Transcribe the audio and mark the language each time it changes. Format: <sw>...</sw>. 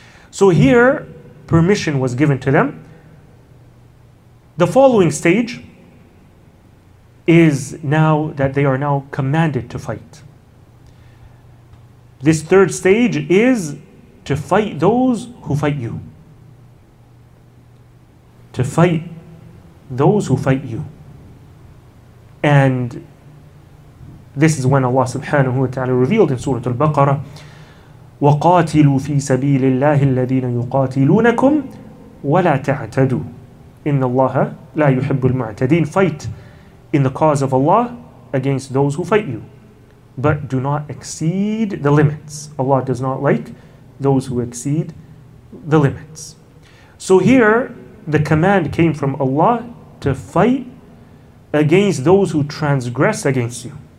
<en>So here, permission was given to them. The following stage is now that they are now commanded to fight. This third stage is to fight those who fight you. To fight those who fight you. And this is when Allah subhanahu wa ta'ala revealed in Surah Al-Baqarah,</en> <ar>وَقَاتِلُوا فِي سَبِيلِ اللَّهِ الَّذِينَ يُقَاتِلُونَكُمْ وَلَا تَعْتَدُوا إِنَّ اللَّهَ لَا يُحِبُّ الْمُعْتَدِينَ.</ar> <en>Fight in the cause of Allah against those who fight you, but do not exceed the limits. Allah does not like those who exceed the limits. So here, the command came from Allah to fight against those who transgress against you.</en>